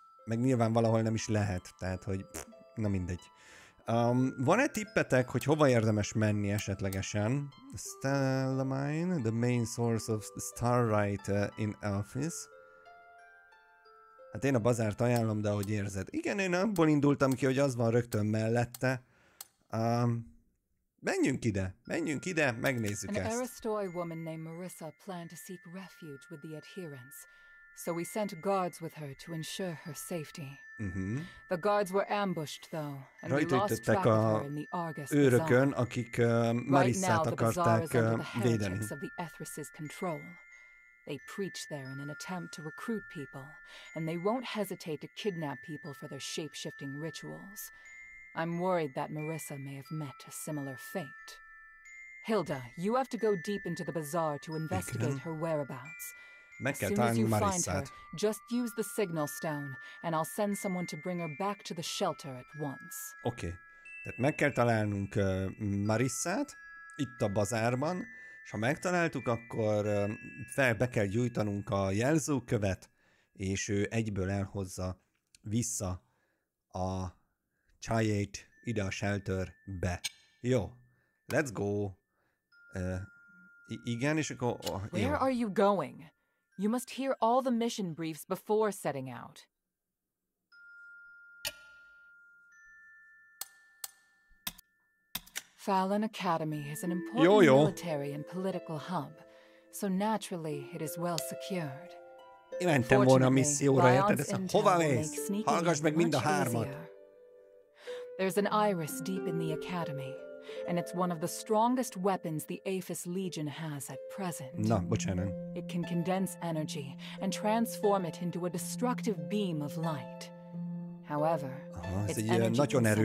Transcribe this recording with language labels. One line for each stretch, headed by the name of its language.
Hungarian: Meg nyilván valahol nem is lehet, tehát hogy na mindegy. Van-e tippetek, hogy hova érdemes menni esetlegesen?
English: Stella Mine, the main source of Starlight in Elphys.
Hungarian: Hát én a bazárt ajánlom, de ahogy érzed. Igen, én abból indultam ki, hogy az van rögtön mellette. Menjünk ide, megnézzük
English: An
Hungarian: ezt.
English: An Aristoi woman named Marissa planned to seek refuge with the adherents, so we sent guards with her to ensure her safety. Mm-hmm. The guards were ambushed, though, and
Hungarian: rajta
English: we lost track of her in the Argus Bazaar.
Hungarian: Őrökön, akik Marissát akarták védeni.
English: Right now, the bazaar is under the Ethrus' control. They preach there in an attempt to recruit people, and they won't hesitate to kidnap people for their shape-shifting rituals. I'm worried that Marissa may have met a similar fate. Hilda, you have to go deep into the bazaar to investigate her whereabouts.
Hungarian: Meg kell találni Marissát.
English: Just use the signal stone, and I'll send someone to bring her back to the shelter at once.
Hungarian: Oké. Tehát meg kell találnunk Marissát itt a bazárban, és ha megtaláltuk, akkor be kell gyújtanunk a jelzőkövet, és ő egyből elhozza vissza a Chayét ide a shelterbe. Jó.
English: Let's go.
Hungarian: Igen, és akkor...
English: Where are you going? You must hear all the mission briefs before setting out. Fallon Academy is an important military and political hub, so naturally it is well secured.
Hungarian: Én mentem volna a misszióra, érted ezt? Hova mész? Hallgass meg mind a hármat!
English: There's an iris deep in the academy, and it's one of the strongest weapons the Aphis Legion has at present.
Hungarian: Na, bocsánat.
English: It can condense energy and transform it into a destructive beam of light. However, its energy